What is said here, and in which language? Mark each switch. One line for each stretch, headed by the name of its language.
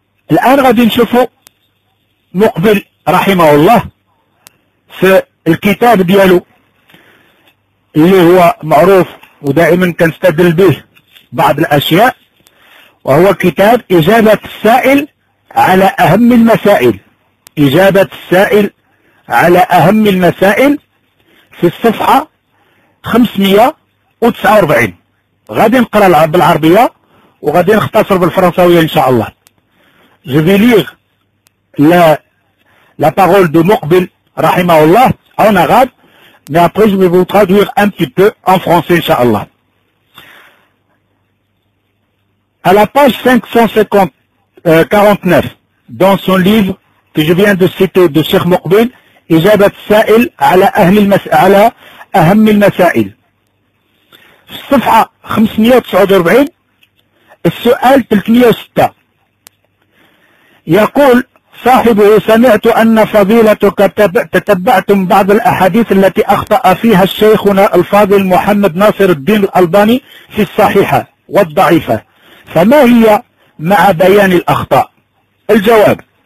Arabic: الان غادي نشوفه مقبل رحمه الله في الكتاب ديالو اللي هو معروف ودائما كنستدل به بعض الاشياء، وهو كتاب اجابة السائل على اهم المسائل، اجابة السائل على اهم المسائل في الصفحة 549. غادي نقرا بالعربية وغادي نختصر بالفرنساوية ان شاء الله.
French: Je vais lire la parole de مقبل رحمه الله en arabe, mais après je vais vous traduire un petit peu en français
Arabic: ان شاء الله.
French: À la page 549 dans son livre que je viens de citer de Cheikh مقبل, إجابة السائل على أهل على أهم المسائل.
Arabic: في الصفحة 549 السؤال 306 يقول صاحبه سمعت أن فضيلتك تتبعتم بعض الأحاديث التي أخطأ فيها الشيخنا الفاضل محمد ناصر الدين الألباني في الصحيحة والضعيفة، فما هي مع بيان الأخطاء؟ الجواب،